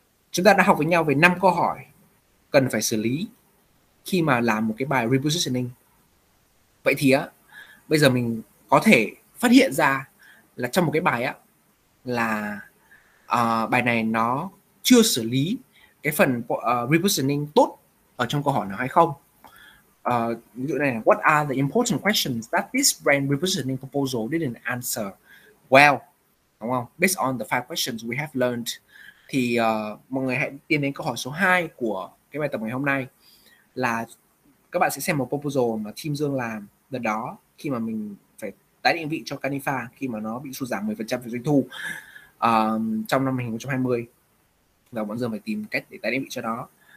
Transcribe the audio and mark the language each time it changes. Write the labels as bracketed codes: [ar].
[vi] Chúng ta đã học với nhau về 5 câu hỏi cần phải xử lý khi mà làm một cái bài repositioning. Vậy thì á, bây giờ mình có thể phát hiện ra là trong một cái bài á, là bài này nó chưa xử lý cái phần repositioning tốt ở trong câu hỏi nào hay không. Ví dụ này, [en] what are the important questions that this brand repositioning proposal didn't answer well? [vi] Đúng không? [en] Based on the 5 questions we have learned. [vi] Thì mọi người hãy tiến đến câu hỏi số 2 của cái bài tập ngày hôm nay, là các bạn sẽ xem một proposal mà team Dương làm lần đó khi mà mình phải tái định vị cho Canifa khi mà nó bị sụt giảm 10% về doanh thu trong năm 2020, và bọn Dương phải tìm cách để tái định vị cho nó.